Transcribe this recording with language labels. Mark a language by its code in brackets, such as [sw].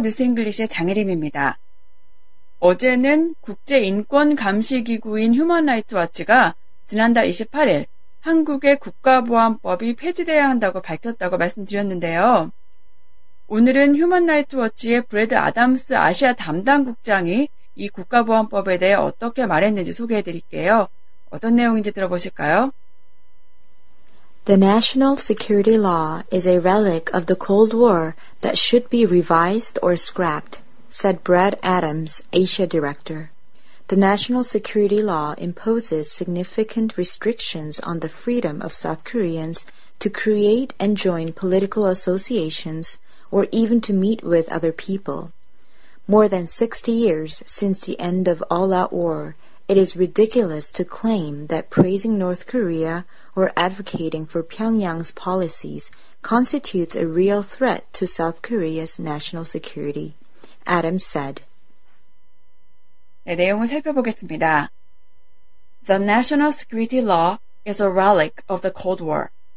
[ko] 뉴스잉글리시의 장혜림입니다. 어제는 국제인권감시기구인 휴먼라이트워치가 지난달 28일 한국의 국가보안법이 폐지되어야 한다고 밝혔다고 말씀드렸는데요. 오늘은 휴먼라이트워치의 브래드 아담스 아시아 담당 국장이 이 국가보안법에 대해 어떻게 말했는지 소개해드릴게요. 어떤 내용인지 들어보실까요? [en] The National Security Law is a relic of the Cold War that should be revised or scrapped, said Brad Adams, Asia Director. The National Security Law imposes significant restrictions on the freedom of South Koreans to create and join political associations or even to meet with other people. More than 60 years since the end of all-out war, It is ridiculous to claim that praising North Korea or advocating for Pyongyang's policies constitutes a real threat to South Korea's national security, Adams said. [ko] 네, 내용을 살펴보겠습니다. [en] The National Security Law is a relic of the Cold War.